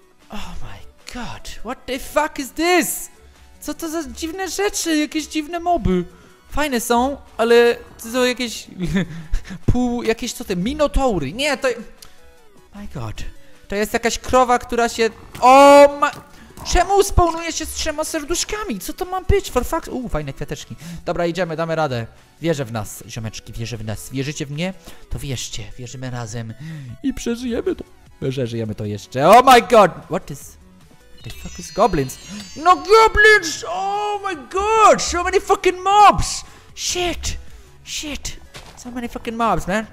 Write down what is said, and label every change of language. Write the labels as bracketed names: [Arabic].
[English] Oh my god, what the fuck is this? [Polish] Co to za dziwne rzeczy, jakieś dziwne moby. Fajne są, ale to są jakieś pół, jakieś co te, minotaury. Nie, to... [English] Oh my god. [Polish] To jest jakaś krowa, która się... O ma... Czemu spawnuje się z trzema serduszkami? Co to ma być? [English] For fuck... [Polish] fajne kwiateczki. Dobra, idziemy, damy radę. Wierzę w nas, ziomeczki, wierzę w nas. Wierzycie w mnie? To wierzcie, wierzymy razem. I przeżyjemy to. Przeżyjemy to jeszcze. [English] Oh my god. What is... What the fuck is goblins? No goblins! Oh my god! So many fucking mobs! Shit! Shit! So many fucking mobs, man!